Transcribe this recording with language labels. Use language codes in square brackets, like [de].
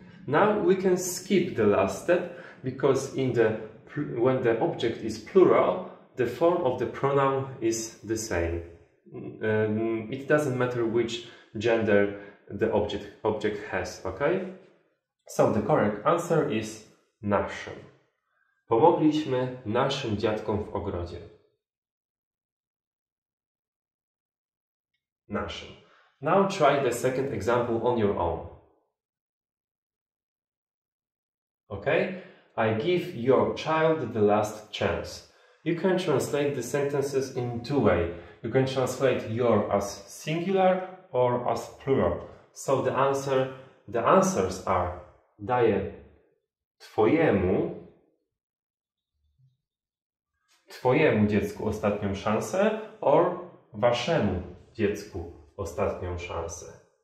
[en] Now we can skip the last step because when the object is plural, the form of the pronoun is the same. It doesn't matter which gender the object has, okay? So the correct answer is naszym. [pl] Pomogliśmy naszym dziadkom w ogrodzie. Naszym. [en] Now try the second example on your own. Okay? I give your child the last chance. You can translate the sentences in two ways. You can translate your as singular or as plural. So the answers are [pl] daję twojemu dziecku ostatnią szansę [en] or [pl] waszemu dziecku ostatnią szansę.